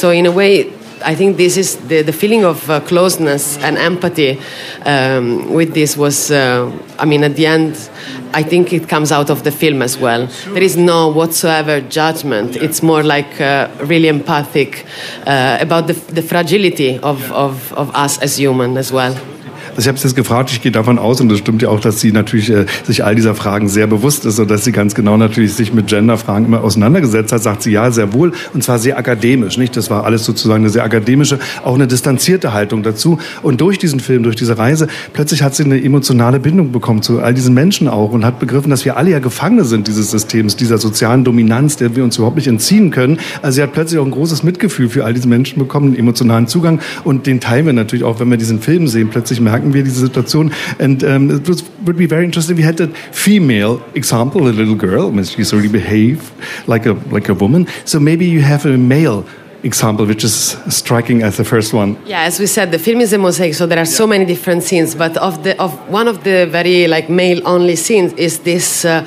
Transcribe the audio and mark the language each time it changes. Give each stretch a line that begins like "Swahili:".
English: So in a way, I think this is the feeling of closeness and empathy with this was, at the end, I think it comes out of the film as well. There is no whatsoever judgment. Yeah. It's more like really empathic about the fragility of us as human as well.
German: Ich habe es jetzt gefragt, ich gehe davon aus, und das stimmt ja auch, dass sie natürlich sich all dieser Fragen sehr bewusst ist und dass sie ganz genau natürlich sich mit Genderfragen immer auseinandergesetzt hat, sagt sie ja, sehr wohl, und zwar sehr akademisch, nicht? Das war alles sozusagen eine sehr akademische, auch eine distanzierte Haltung dazu. Und durch diesen Film, durch diese Reise, plötzlich hat sie eine emotionale Bindung bekommen zu all diesen Menschen auch und hat begriffen, dass wir alle ja Gefangene sind dieses Systems, dieser sozialen Dominanz, der wir uns überhaupt nicht entziehen können. Also sie hat plötzlich auch ein großes Mitgefühl für all diese Menschen bekommen, einen emotionalen Zugang, und den teilen wir natürlich auch, wenn wir diesen Film sehen, plötzlich merken, wir diese Situation.
English: And it would be very interesting if we had that female example, a little girl, I mean, she's already behaved like a woman. So maybe you have a male example, which is striking as the first one. Yeah, as we said, the film is a mosaic, so there are so many different scenes, but one of the very like male-only scenes is this